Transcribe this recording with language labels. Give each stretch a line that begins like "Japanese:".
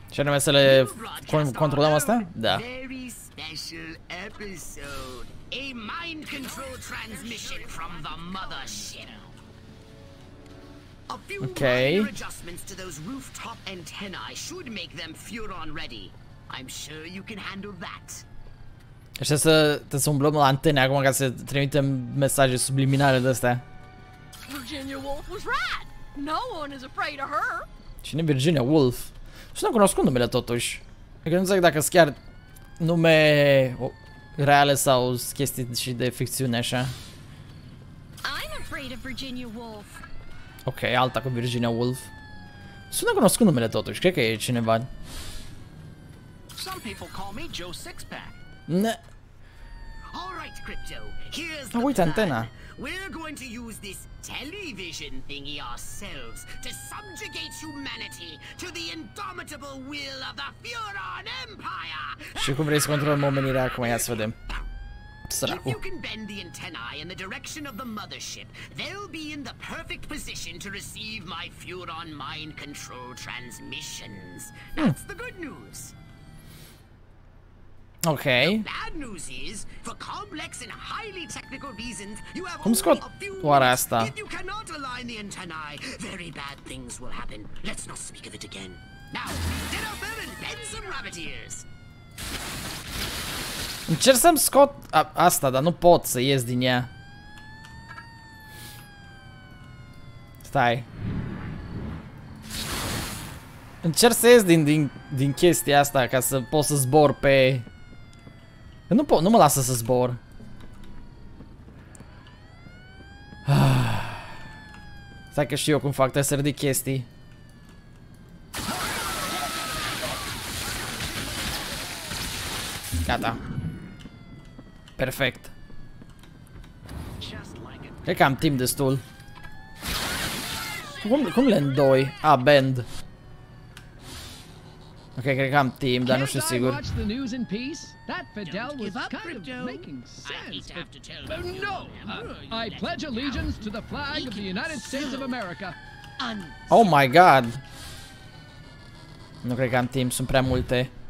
Romanian: Și anume să le controlăm asta? Da.
English: Very special episode. A mind control transmission from the mothership. A few okay. Minor adjustments to those rooftop antennae should make them Furon ready. I'm sure you can handle that.
Romanian: Așa să te umblăm la antene acum ca să trimitem mesaje subliminale de astea.
English: Virginia Woolf was right. No one is afraid of her.
Romanian: Cine Virginia Woolf? Sunt cunoscut numele totuși. Adică nu înțeleg dacă sunt chiar nume reale sau chestii și de ficțiune așa.
English: I'm afraid of Virginia Woolf.
Romanian: Ok, alta cu Virginia Woolf. Sunt cunoscut numele totuși, cred că e cineva.
English: Some people call me Joe Sixpack. Ne. All right, Crypto. Here's
Romanian: the uite, antena.
English: We're going to use this television thingy ourselves to subjugate humanity to the indomitable will of the Furon Empire.
Romanian: Și cum vrei să controlăm omenirea acum, ia să vedem. Săracu.
English: If you can bend the antennae in the direction of the mothership, they'll be in the perfect position to receive my Furon mind control transmissions. That's the good news. Okay. The bad news is, for complex and highly technical reasons, you have
Romanian: cum
English: only a few weeks. If you cannot align the antennae, very bad things will happen. Let's not speak of it again. Now, get up there and bend some rabbit ears.
Romanian: Încerc să-mi scot asta, dar nu pot să ies din ea. Stai. Încerc să ies din chestia asta ca să pot să zbor pe... Nu pot, nu mă lasă să zbor. Stai că știu eu cum fac, trebuie să ridic chestii. Gata. Perfect. Cred că am timp destul. Cum le îndoi? Ah, bend. Ok, cred că am timp, dar nu știu sigur.
English: That Fidel was kind of making sense. No! I pledge allegiance to the flag of the United States of America. Oh my god!
Romanian: Nu cred că am timp, sunt prea multe.